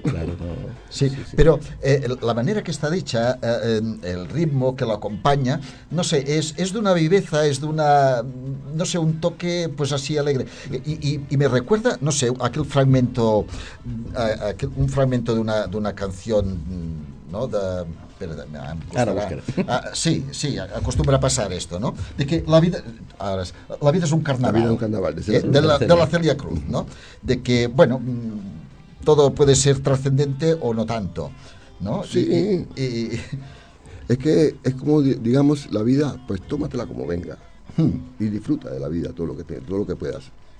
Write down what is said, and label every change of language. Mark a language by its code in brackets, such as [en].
[es] Claro, sí, pero la manera que está dicha, el ritmo que lo acompaña, no sé, es de una viveza, es de una, no sé, un toque pues así alegre, y me recuerda, no sé, aquel fragmento, un fragmento de una canción, ¿no? De... [ca] Ara, sí, acostumbra a passar esto, no? De que la vida, ara, la vida és un carnaval. La vida és un carnaval, de la Celia Cruz, no? [es] De que, bueno, todo puede ser trascendente o no tanto, ¿no? Sí. Y es que es como digamos la vida, pues tómatela como venga y disfruta de la vida todo lo que puedas.